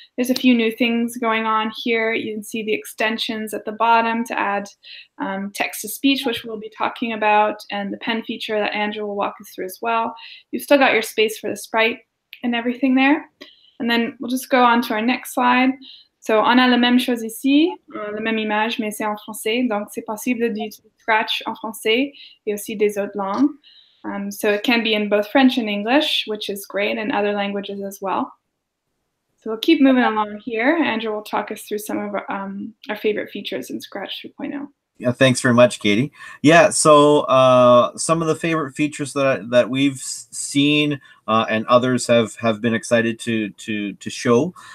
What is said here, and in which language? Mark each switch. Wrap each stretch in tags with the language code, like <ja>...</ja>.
<en>There's a few new things going on here. You can see the extensions at the bottom to add text-to-speech, which we'll be talking about, and the pen feature that Andrew will walk us through as well. You've still got your space for the sprite and everything there. And then we'll just go on to our next slide.</en> <fr>So on a la même chose ici, la même image, mais c'est en français. Donc c'est possible d'utiliser Scratch en français et aussi des autres langues.</fr> <en>So it can be in both French and English, which is great, and other languages as well. So we'll keep moving along here. Andrew will talk us through some of our favorite features in Scratch 3.0. Yeah, thanks very much, Katy. Yeah, so some of the favorite features that we've seen and others have been excited to show.</en>